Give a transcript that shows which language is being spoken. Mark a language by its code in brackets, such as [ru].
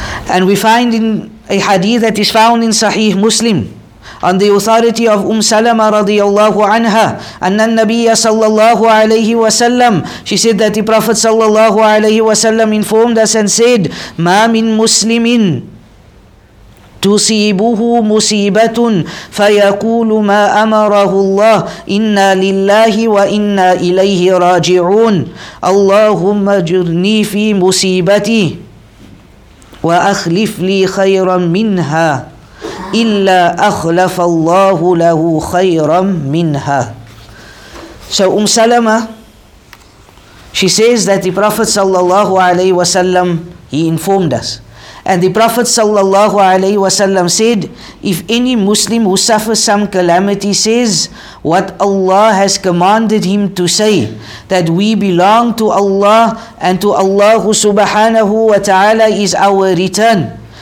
[en] And we find in a hadith that is found in Sahih Muslim, on the authority of Salama radiyallahu anha, anna nabiyya sallallahu alayhi wa sallam, she said that the Prophet sallallahu alayhi wa sallam informed us and said, [ar] ma min muslimin تصيبه مصيبة فيقول ما أمره الله إنا لله وإنا إليه راجعون اللهم اجرني في مصيبتي وأخلف لي خيرا منها إلا أخلف الله له خيرا منها. [en] So Salama, she says that the Prophet sallallahu alayhi wasallam, he informed us. And the Prophet sallallahu alayhi wasallam said, if any Muslim who suffers some calamity says what Allah has commanded him to say, that we belong to Allah and to Allah subhanahu wa ta'ala is our return.